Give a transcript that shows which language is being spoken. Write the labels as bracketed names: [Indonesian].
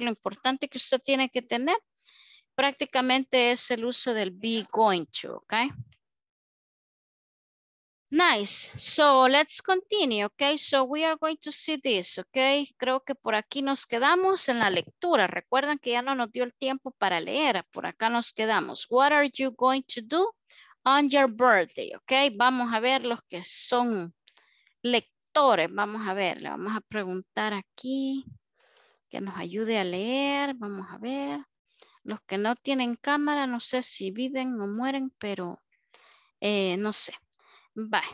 [Spanish] Lo importante que usted tiene que tener prácticamente es el uso del be going to, ¿ok? [English] Nice, so let's continue, ¿ok? So we are going to see this, ¿ok? [Spanish] Creo que por aquí nos quedamos en la lectura. Recuerdan que ya no nos dio el tiempo para leer, por acá nos quedamos. [English] What are you going to do on your birthday, ¿ok? [Spanish] Vamos a ver los que son lectores, vamos a ver, le vamos a preguntar aquí que nos ayude a leer, vamos a ver. Los que no tienen cámara, no sé si viven o mueren, pero no sé. Bye.